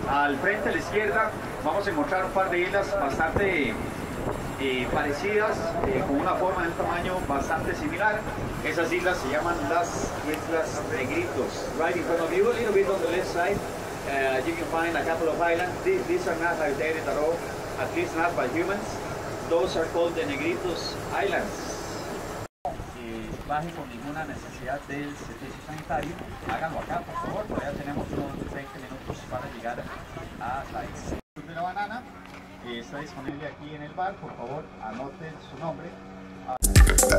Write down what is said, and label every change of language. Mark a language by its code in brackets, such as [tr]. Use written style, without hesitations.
[es] Al frente, a la izquierda, vamos a encontrar un par de islas bastante parecidas, con una forma y un tamaño bastante similar. Esas islas se llaman las Islas Negritos. [en] Right in front of you, a little bit on the left side, you can find a couple of islands. These are not habitated at all, at least not by humans. Those are called the Negritos Islands. [es] Baje con ninguna necesidad del servicio sanitario, háganlo acá, por favor, todavía tenemos unos 20 minutos para llegar a la isla de la banana, que está disponible aquí en el bar, por favor, anote su nombre.